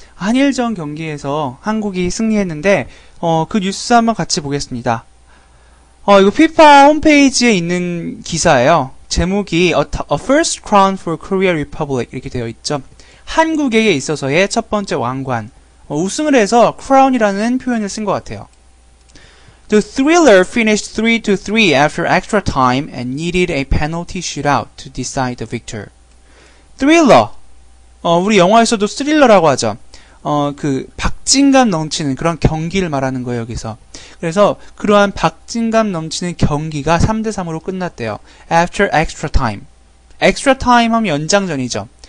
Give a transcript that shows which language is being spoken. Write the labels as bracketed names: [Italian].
[Korean] 한일전 경기에서 한국이 승리했는데, 그 뉴스 한번 같이 보겠습니다. 이거 FIFA 홈페이지에 있는 기사예요. 제목이 [English] A First Crown for Korea Republic [Korean] 이렇게 되어 있죠. 한국에게 있어서의 첫 번째 왕관. 우승을 해서 크라운이라는 표현을 쓴것 같아요. [English] The thriller finished 3-3 after extra time and needed a penalty shootout to decide the victor. Thriller. [Korean] 우리 영화에서도 스릴러라고 하죠. 박진감 넘치는 그런 경기를 말하는 거예요, 여기서. 그래서 그러한 박진감 넘치는 경기가 3-3으로 끝났대요. [English] After extra time. extra time [Korean] 하면 연장전이죠.